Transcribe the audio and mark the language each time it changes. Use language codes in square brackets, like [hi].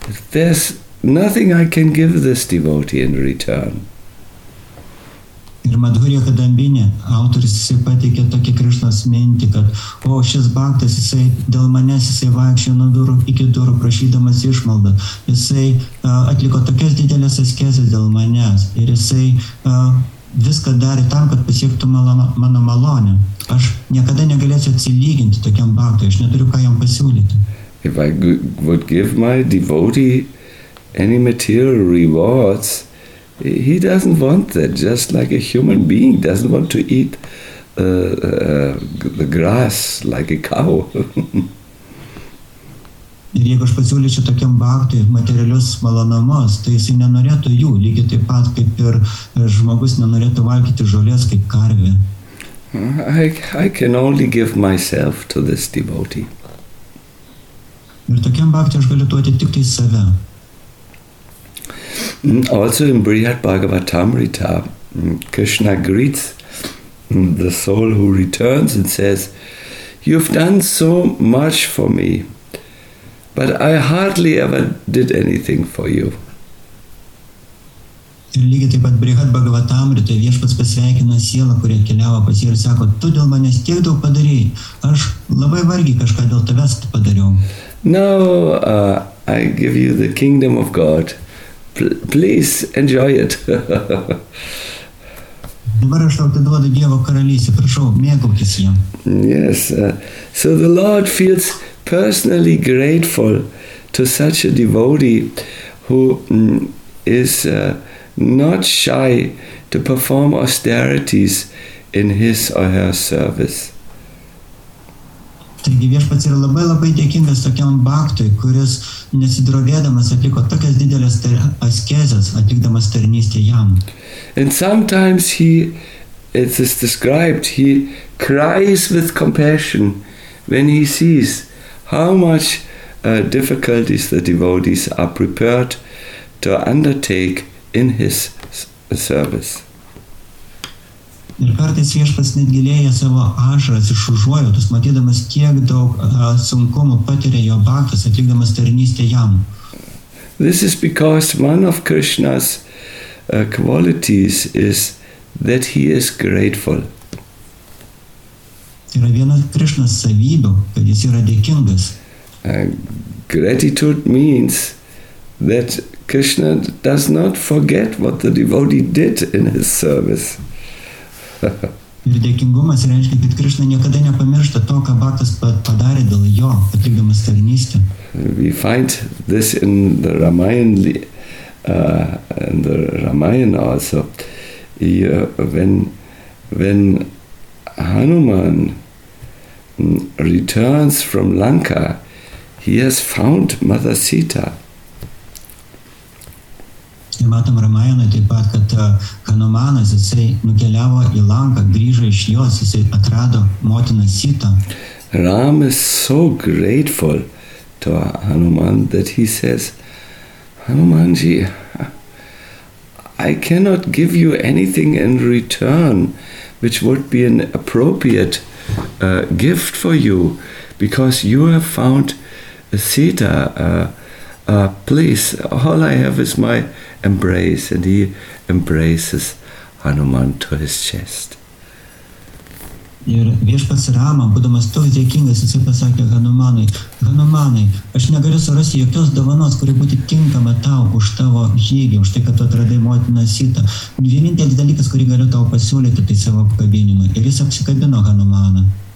[en] There's nothing I can give this devotee in return. [lt] Ir Madhurya Kadambini autoris jisai pateikė tokį Krishnos mintį, kad o šis Bakhtas jisai dėl manęs jisai vaikščio nuo durų iki durų prašydamas išmaldą. Jisai atliko tokias didelės askezės dėl manęs ir jisai viską darė tam, kad pasiektų mano malonę. Aš niekada negalėsiu atsilyginti tokiam Bakhtui, aš neturiu ką jam pasiūlyti. [en] If I would give my devotee any material rewards, he doesn't want that, just like a human being doesn't want to eat the grass like a cow. [lt] Ir jeigu aš pasiūlyčiau tokiam Bakhtui materialius malonumus, tai jis nenorėtų jų, lygiai taip pat kaip ir žmogus nenorėtų valgyti žolės kaip karvė. [en] I can only give myself to this devotee. [lt] Ir tokiam Bakhtui aš galiu duoti tik tai save. [en] Also in Brihat Bhagavatamrita, Krishna greets the soul who returns and says, you've done so much for me, but I hardly ever did anything for you. [lt] Ir lygiai taip pat Brihat Bhagavatamrita, Viešpats pasveikina sielą, kurie keliavo pas jį ir sako, tu dėl manęs tiek daug padarėjai, aš labai vargiai kažką dėl tavęs padariau. [en] Now I give you the kingdom of God. Please enjoy it. [lt] Dabar aš tau atiduodu Dievo karalystę, prašau, mėgaukis jam. [en] Yes, so the Lord feels personally grateful to such a devotee who is not shy to perform austerities in his or her service. [lt] Taigi Viešpats yra labai labai dėkingas tokiam baktui, kuris nesidrovėdamas atliko tokias didelės askezes, atlikdamas tarnystę jam. [en] And sometimes he, it is described, he cries with compassion when he sees how much difficulties the devotees are prepared to undertake in his service. [lt] Ir kartais Viešpats net gilėja savo ašaras iš užuojautos, matydamas, kiek daug sunkumų patiria jo baktas, atlikdamas tarnystę jam. [en] This is because one of Krishna's qualities is that he is grateful. [lt] Yra viena Krishnas savybių, kad jis yra dėkingas. [en] Gratitude means that Krishna does not forget what the devotee did in his service. [lt] Ir dėkingumas reiškia, kad Krishna niekada nepamiršta to, ką Bhaktas padarė dėl jo, atlikdamas tarnystę. [en] We find this in the Ramayana, also. When Hanuman returns from Lanka, he has found Mother Sita. [lt] Ir matom Ramayanoje taip pat, kad Hanumanas, jisai nukeliavo į Lanką, grįžo iš jos, jisai atrado motiną Sitą. [en] Ram is so grateful to Hanuman that he says, Hanumanji, I cannot give you anything in return which would be an appropriate gift for you because you have found Sita, please, all I have is my embrace, and he embraces Hanuman to his chest. [lt] Ir Viešpats Rama, būdamas toks dėkingas, jis pasakė Hanumanui, Hanumanai, aš negaliu surasti jokios dovanos, kuri būti tinkama tau už tavo žygį, už tai, kad tu atradai motiną Sitą. Vienintelis dalykas, kurį galiu tau pasiūlyti, tai savo apkabinimą. Ir jis apsikabino Hanumaną.